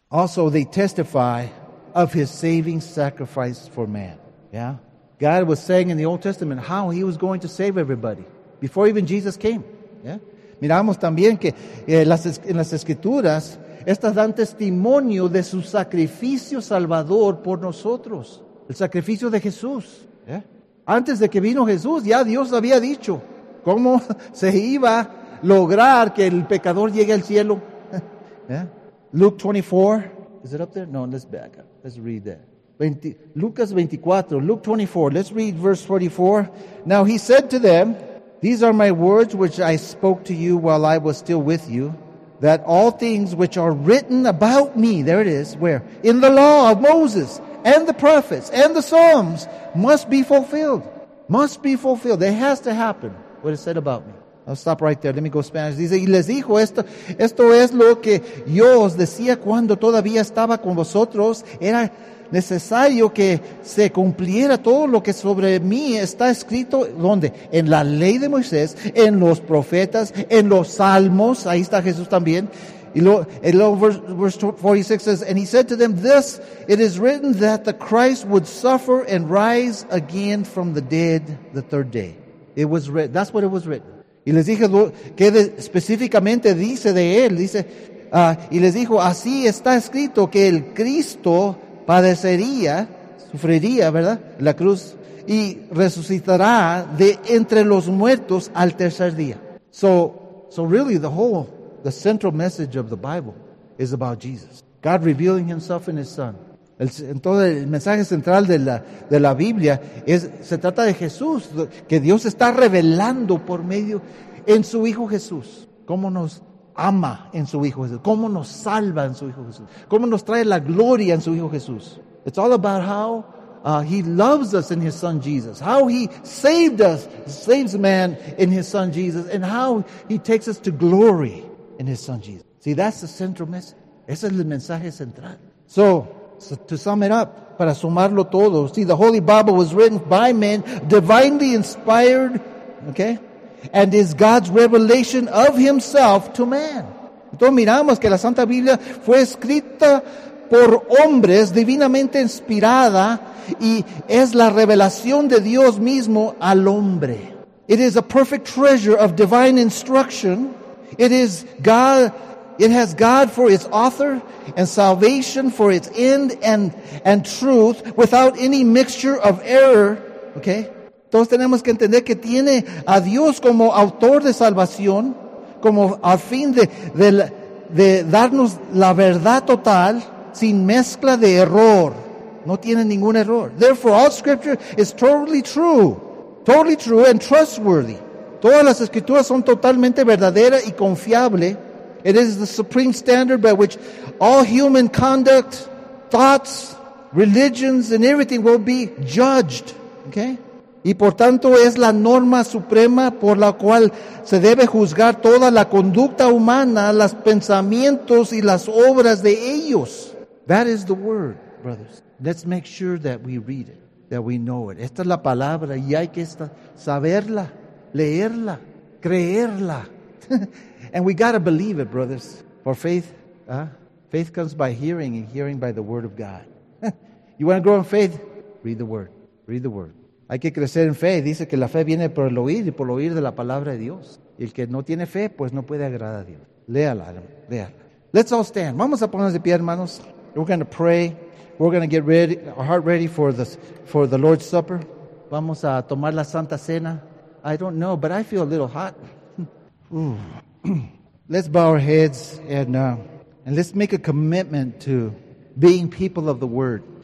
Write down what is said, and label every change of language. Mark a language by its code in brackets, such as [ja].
[en] Also, they testify of his saving sacrifice for man. Yeah? God was saying in the Old Testament how he was going to save everybody before even Jesus came. Yeah? [es] Miramos también que en las Escrituras, estas dan testimonio de su sacrificio salvador por nosotros. El sacrificio de Jesús. [en] Yeah? [es] Antes de que vino Jesús, ya Dios había dicho cómo se iba a lograr que el pecador llegue al cielo. [en] Yeah? Luke 24, is it up there? No, let's back up. Let's read that. Luke 24, let's read verse 44. Now he said to them, these are my words which I spoke to you while I was still with you, that all things which are written about me, there it is, where? In the law of Moses and the prophets and the Psalms must be fulfilled. Must be fulfilled. It has to happen, what it said about me. I'll stop right there. Let me go Spanish. [es] Dice, y les dijo esto. Esto es lo que yo os decía cuando todavía estaba con vosotros. Era necesario que se cumpliera todo lo que sobre mí está escrito. ¿Dónde? En la ley de Moisés, en los profetas, en los salmos. Ahí está Jesús también. Y luego [en] verse 46 says, and he said to them, this it is written that the Christ would suffer and rise again from the dead the third day. It was written. That's what it was written. [es] Y les dije qué específicamente dice de él. Dice, y les dijo, así está escrito que el Cristo padecería, sufriría, ¿verdad? La cruz, y resucitará de entre los muertos al tercer día. [en] So really the central message of the Bible is about Jesus. God revealing himself in his son. [es] Entonces el mensaje central de la Biblia se trata de Jesús, que Dios está revelando por medio en su Hijo Jesús, cómo nos ama en su Hijo Jesús, cómo nos salva en su Hijo Jesús, cómo nos trae la gloria en su Hijo Jesús. [en] It's all about how he loves us in his son Jesus, how he saved us, saves man in his son Jesus, and how he takes us to glory in his son Jesus. See, that's the central message. [es] Ese es el mensaje central. [en] So to sum it up, [es] para sumarlo todo, [en] see, the Holy Bible was written by men, divinely inspired, okay, and is God's revelation of himself to man. [es] Entonces miramos que la Santa Biblia fue escrita por hombres, divinamente inspirada, y es la revelación de Dios mismo al hombre. [en] It is a perfect treasure of divine instruction. It has God for its author and salvation for its end and truth without any mixture of error. Okay? [es] Todos tenemos que entender que tiene a Dios como autor de salvación, como a fin de darnos la verdad total sin mezcla de error. No tiene ningún error. [en] Therefore, all scripture is totally true and trustworthy. [es] Todas las escrituras son totalmente verdaderas y confiables. [en] It is the supreme standard by which all human conduct, thoughts, religions, and everything will be judged. Okay? [es] Y por tanto es la norma suprema por la cual se debe juzgar toda la conducta humana, los pensamientos y las obras de ellos. [en] That is the word, brothers. Let's make sure that we read it, that we know it. [es] Esta es la palabra y hay que saberla, leerla, creerla. [en] And we got to believe it, brothers. For faith, faith comes by hearing, and hearing by the word of God. You want to grow in faith? Read the word. Read the word. [es] Hay que crecer en fe. Dice que la fe viene por el oír y por el oír de la palabra de Dios. Y el que no tiene fe, pues no puede agradar a Dios. Léala, léala. [en] Let's all stand. [es] Vamos a ponernos de pie, hermanos. [en] We're going to pray. We're going to get ready, our heart ready for the Lord's Supper. [es] Vamos a tomar la Santa Cena. [en] I don't know, but I feel a little hot. Let's bow our heads and let's make a commitment to being people of the Word.